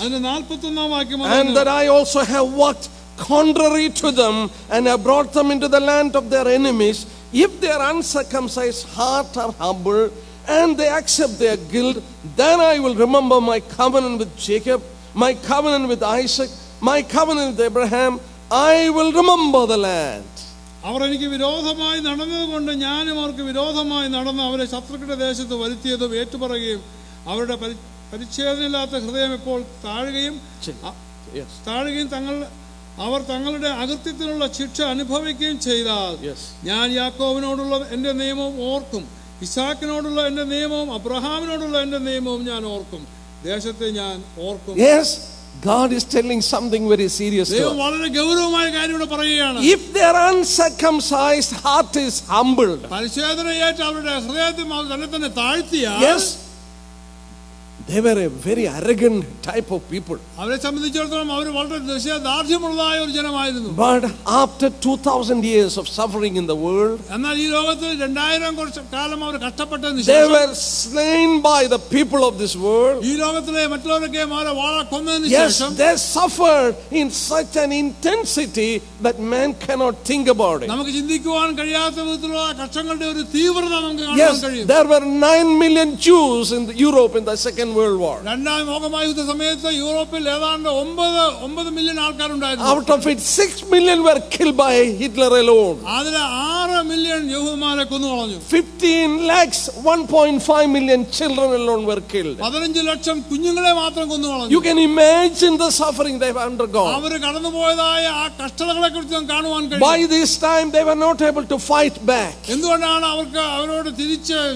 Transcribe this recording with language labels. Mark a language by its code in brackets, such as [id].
[en] And that I also have walked contrary to them and have brought them into the land of their enemies, if their uncircumcised heart are humble and they accept their guilt, then I will remember my covenant with Jacob, my covenant with Isaac, my covenant with Abraham. I will remember the land. [ml] അവർ എനിക്ക് വിരോധമായി നടന്നതുകൊണ്ട് ഞാനും അവർക്ക് വിരോധമായി നടന്ന് അവരെ ശത്രുക്കളുടെ ദേശത്ത് വരുത്തിയതും ഏറ്റുപറയുകയും അവരുടെ പരിച്ഛേദനമില്ലാത്ത ഹൃദയം ഇപ്പോൾ താഴുകയും തങ്ങൾ അവർ തങ്ങളുടെ അകൃത്യത്തിനുള്ള ശിക്ഷ അനുഭവിക്കുകയും ചെയ്താൽ ഞാൻ യാക്കോബിനോടുള്ള എന്റെ നിയമം ഓർക്കും, ഇസാക്കിനോടുള്ള എന്റെ നിയമവും അബ്രഹാമിനോടുള്ള എന്റെ നിയമവും ഞാൻ ഓർക്കും, ദേശത്തെ ഞാൻ ഓർക്കും. [en] Yes, God is telling something very serious to us. If their uncircumcised heart is humbled, [ml] പരിശോധനയേറ്റ് അവരുടെ ഹൃദയത്തിൽ തന്നെ താഴ്ത്തിയാൽ, [en] yes, they were a very arrogant type of people. [ml] അവരെ സംബന്ധിച്ചിടത്തോളം അവർ വളരെ ദേശാദാർഢ്യമുള്ളതായ ഒരു ജനമായിരുന്നു. [en] But after 2000 years of suffering in the world, [ml] എന്നാൽ ഈ ലോകത്ത് 2000 കുറച്ച് കാലം അവർ കഷ്ടപ്പെട്ടതിനു ശേഷം, [en] they were slain by the people of this world. [ml] ഈ ലോകത്തിലെ മറ്റുള്ളവരൊക്കെ അവരെ വാളകൊന്നതിനു ശേഷം, [en] yes, they suffered in such an intensity that man cannot think about it. [ml] നമുക്ക് ചിന്തിക്കുവാൻ കഴിയാത്ത വിധത്തിലുള്ള കഷ്ടങ്ങളുടെ ഒരു തീവ്രത നമുക്ക് കാണാൻ കഴിയും. [en] Yes, there were 9 million Jews in Europe in the Second World War. [ml] രണ്ടാം ലോകമഹായുദ്ധ സമയത്ത് യൂറോപ്പിൽ ഏതാണ്ട് 9 മില്യൺ ആൾക്കാരുണ്ടായിരുന്നു. [en] Out of it, 6 million were killed by Hitler alone. [ml] അതിൽ 6 മില്യൺ യഹൂദന്മാരെ കൊന്നുകളഞ്ഞു. [en] 15 lakhs 1.5 million children alone were killed. [ml] 15 ലക്ഷം കുഞ്ഞുങ്ങളെ മാത്രം കൊന്നുകളഞ്ഞു. [en] You can imagine the suffering they have undergone. [ml] അവർ കടന്നുപോയതായ ആ കഷ്ടതകളെ കുറിച്ച് നാം കാണുവാൻ കഴിയും. [en] By this time they were not able to fight back. [ml] എന്തുകൊണ്ടാണ് അവർക്ക് അവരോട് തിരിച്ച്